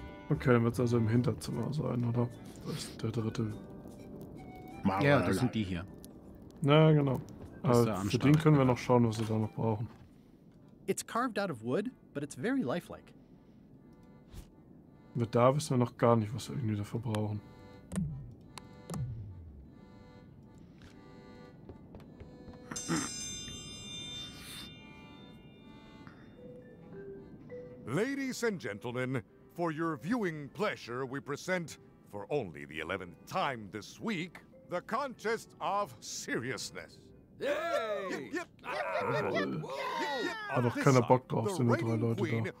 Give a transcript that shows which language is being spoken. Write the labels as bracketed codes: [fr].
[de] Okay, dann wird's also im Hinterzimmer sein, oder? Das ist der dritte. Ja, das sind die hier. Na ja, genau. Für den können wir noch schauen, was wir da noch brauchen. [en] It's carved out of wood, but it's very lifelike. [de] Aber da wissen wir noch gar nicht, was wir irgendwie dafür brauchen. [en] Ladies and gentlemen, for your viewing pleasure, we present, for only the 11th time this week, the contest of seriousness. [de] Hat doch keiner Bock drauf, sind nur drei Leute da.